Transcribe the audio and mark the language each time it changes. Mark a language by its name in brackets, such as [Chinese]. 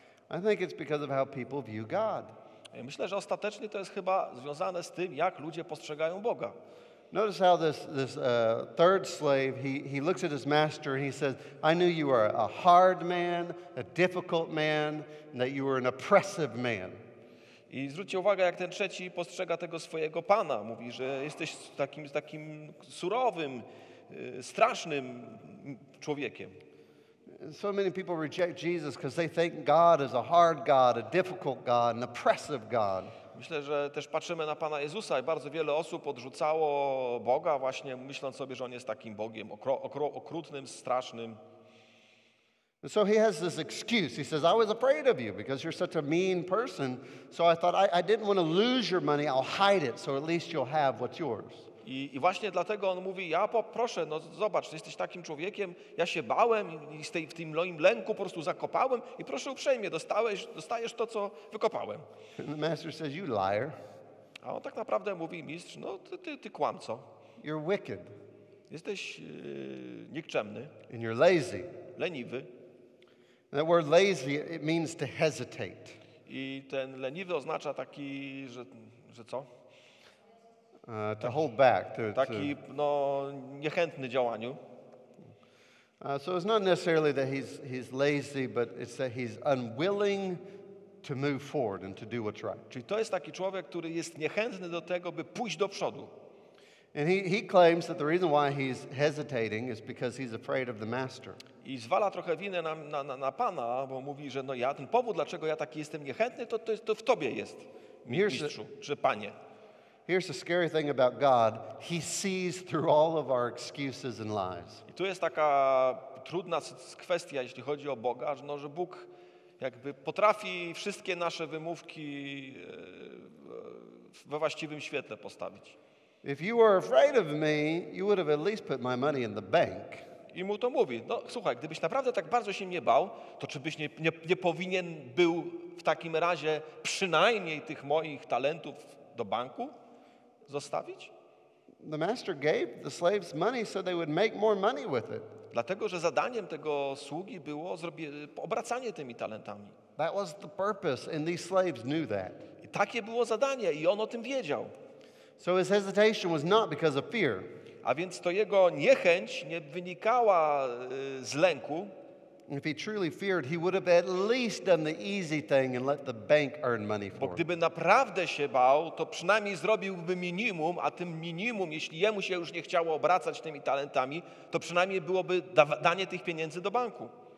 [English] I think it's because of how people view God. [Polish] Myślę, że ostatecznie to jest chyba związane z tym, jak ludzie postrzegają Boga. [English] Notice how this third slave, he looks at his master and he says, I knew you were a hard man, a difficult man, and that you were an oppressive man. [Polish] I zwróćcie uwagę, jak ten trzeci postrzega tego swojego pana. Mówi, że jesteś takim surowym, strasznym człowiekiem. [English] So many people reject Jesus because they think God is a hard God, a difficult God, an oppressive God. [Polish] Myślę, że też patrzymy na Pana Jezusa i bardzo wiele osób odrzucało Boga właśnie myśląc sobie, że On jest takim Bogiem okrutnym, strasznym. [English] So he has this excuse. He says, I was afraid of you because you're such a mean person. So I thought, I didn't want to lose your money, I'll hide it so at least you'll have what's yours. [Polish] I właśnie dlatego on mówi, ja poproszę, no zobacz, ty jesteś takim człowiekiem, ja się bałem i w tym moim lęku po prostu zakopałem i proszę uprzejmie, dostajesz to, co wykopałem. [English] And the master says, you liar. [Polish] A on tak naprawdę mówi, mistrz, no ty kłamco. [English] You're wicked. [Polish] Jesteś nikczemny. [English] And you're lazy. [Polish] Leniwy. [English] And that word lazy, it means to hesitate. [Polish] I ten leniwy oznacza taki, że co? To taki, [English] hold back. [Polish] No, niechętny działaniu. [English] So it's not necessarily that he's lazy, but it's that he's unwilling to move forward and to do what's right. [Polish] Czyli to jest taki człowiek, który jest niechętny do tego, by pójść do przodu. [English] And he claims that the reason why he's hesitating is because he's afraid of the master. [Polish] I zwala trochę winę na pana, bo mówi, że no ja ten powód, dlaczego ja taki jestem niechętny, to w tobie jest, mistrzu, czy panie. [English] Here's the scary thing about God. He sees through all of our excuses and lies. [Polish] I tu jest taka trudna kwestia, jeśli chodzi o Boga, no, że Bóg jakby potrafi wszystkie nasze wymówki we właściwym świetle postawić. [English] If you were afraid of me, you would have at least put my money in the bank. [Polish] I mu to mówi, no słuchaj, gdybyś naprawdę tak bardzo się mnie bał, to czy byś nie powinien był w takim razie przynajmniej tych moich talentów do banku? Zostawić? [English] The master gave the slaves money so they would make more money with it. [Polish] Dlatego, że zadaniem tego sługi było obracanie tymi talentami. [English] That was the purpose, and these slaves knew that. [Polish] I takie było zadanie i on o tym wiedział. [English] So his hesitation was not because of fear. [Polish] A więc to jego niechęć nie wynikała z lęku. [English] If he truly feared, he would have at least done the easy thing and let the bank earn money for him. [Polish] Bo gdyby naprawdę się bał, to przynajmniej zrobiłby minimum, a tym minimum, jeśli jemu się już nie chciało obracać tymi talentami, to przynajmniej byłoby danie tych pieniędzy do banku.